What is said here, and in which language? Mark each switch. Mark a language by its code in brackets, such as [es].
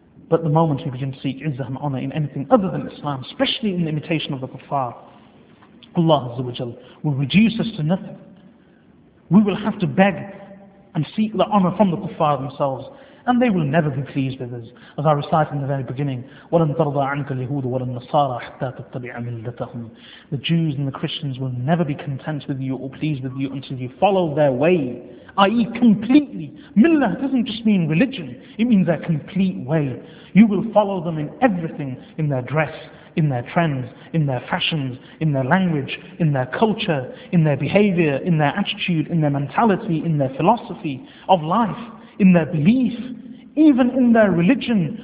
[en] But the moment we begin to seek izzah and honor in anything other than Islam, especially in the imitation of the kuffar, Allah Azza wa Jal will reduce us to nothing. We will have to beg and seek the honor from the kuffar themselves, and they will never be pleased with us. As I recited in the very beginning, [ar] وَلَنْ تَرْضَى عَنْكَ الْيَهُودُ وَلَنْ نَصَارَى حَتَّى تَتَّبِعَ مِلَّتَهُمْ. [en] The Jews and the Christians will never be content with you or pleased with you until you follow their way, i.e. completely. Millah doesn't just mean religion, it means their complete way. You will follow them in everything, in their dress, in their trends, in their fashions, in their language, in their culture, in their behavior, in their attitude, in their mentality, in their philosophy of life, in their belief, even in their religion.